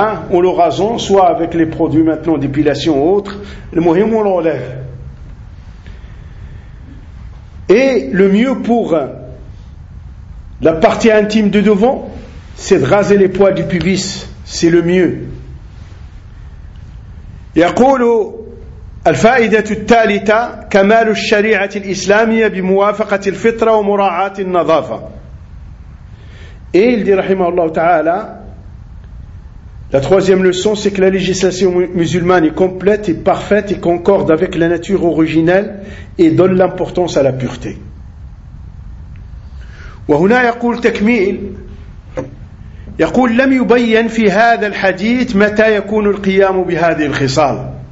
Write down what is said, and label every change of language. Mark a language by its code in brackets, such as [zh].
[fr] On le rase, soit avec les produits maintenant d'épilation ou autre, le mohim on l'enlève. Et le mieux pour la partie intime de devant, c'est de raser les poils du pubis, c'est le mieux. [ar] يقول الفائدة الثالثة كمال الشريعة الإسلامية بموافقة الفطرة ومراعاة النظافة. [fr] Et il dit [ar] rahimahullah ta'ala, [fr] la troisième leçon, c'est que la législation musulmane est complète et parfaite et concorde avec la nature originelle et donne l'importance à la pureté. [ar] وهنا يقول تكميل يقول لم يبين في هذا الحديث متى يكون القيام بهذه الخصال.